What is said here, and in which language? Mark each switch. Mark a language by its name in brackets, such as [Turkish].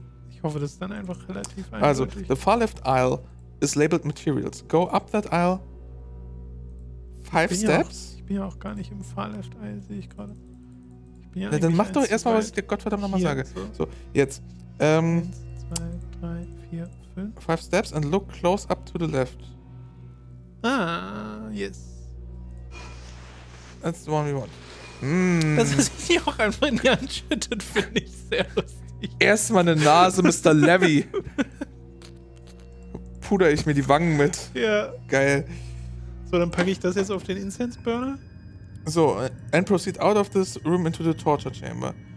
[German] Ich hoffe, das ist dann einfach relativ eindeutig. Also, [English] the far left aisle is labeled materials. Go up that aisle five steps. [German] Ich bin ja auch gar nicht im [English] far left aisle, [German] sehe ich gerade. Ich bin ja, dann mach doch erstmal, was ich dir Gottverdammt nochmal sage. So, jetzt. 1, 2, 3, 4, 5. [English] Five steps and look close up to the left. Ah, yes. That's the one we want. Mm. [German] Das ist mir auch einfach in die Hand schüttet, finde ich sehr lustig. Erstmal eine Nase, Mr. Levy. Puder ich mir die Wangen mit. Ja. Geil. So, dann packe ich das jetzt auf den Incense Burner. [English] So, and proceed out of this room into the torture chamber.